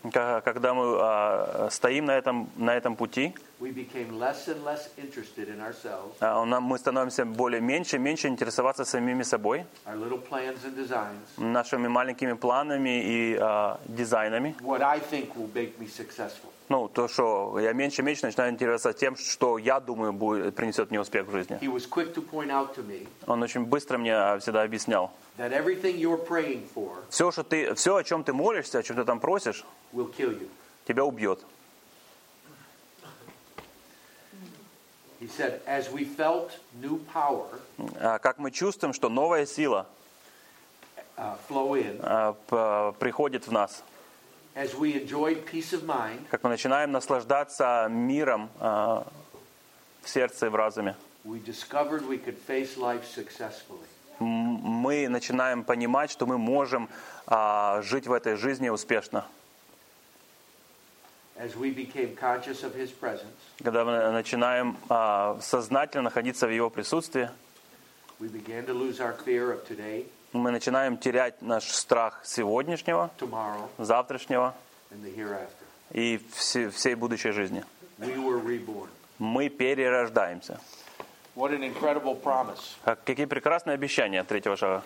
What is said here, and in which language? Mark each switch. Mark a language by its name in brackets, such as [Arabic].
[Russian] когда мы стоим на этом пути, [English] we became less and less interested in ourselves, [Russian] мы становимся более меньше и меньше интересоваться самими собой, [English] our little plans and designs, [Russian] нашими маленькими планами и дизайнами, [English] what I think will make me successful. [Russian] Ну, то, что я меньше и меньше начинаю интересоваться тем, что я думаю, принесет мне успех в жизни. [English] He was quick to point out to me, [Russian] он очень быстро мне всегда объяснял, [English] that everything you're praying for, [Russian] все, о чем ты молишься, о чем ты там просишь, [English] will kill you. [Russian] Тебя убьет. [English] He said, as we felt new power, [Russian] как мы чувствуем, что новая сила [English] flow in, [Russian] приходит в нас, [English] as we enjoy peace of mind, [Russian] как мы начинаем наслаждаться миром в сердце и в разуме, [English] we discovered we could face life successfully. [Russian] Мы начинаем понимать, что мы можем жить в этой жизни успешно. [English] As we became conscious of his presence, [Russian] когда мы начинаем сознательно находиться в его присутствии, [English] we began to lose our fear of today, [Russian] мы начинаем терять наш страх сегодняшнего, [English] tomorrow, [Russian] завтрашнего [English] and the hereafter. [Russian] И всей будущей жизни. [English] We were reborn. [Russian] Мы перерождаемся. [English] What an incredible promise. [Russian] Какие прекрасные обещания третьего шага.